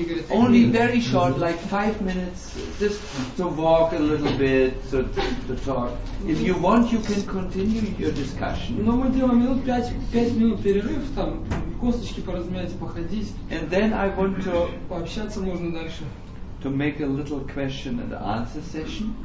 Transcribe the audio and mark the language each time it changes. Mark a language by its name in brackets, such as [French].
[English] Only very short, like 5 minutes, just to walk a little bit, to talk. If you want, you can continue your discussion. [Russian] Но мы делаем минут пять минут перерыв там. косточки поразмять, походить. [English] And then I want to [Russian] пообщаться можно дальше. [English] To make a little question and answer session.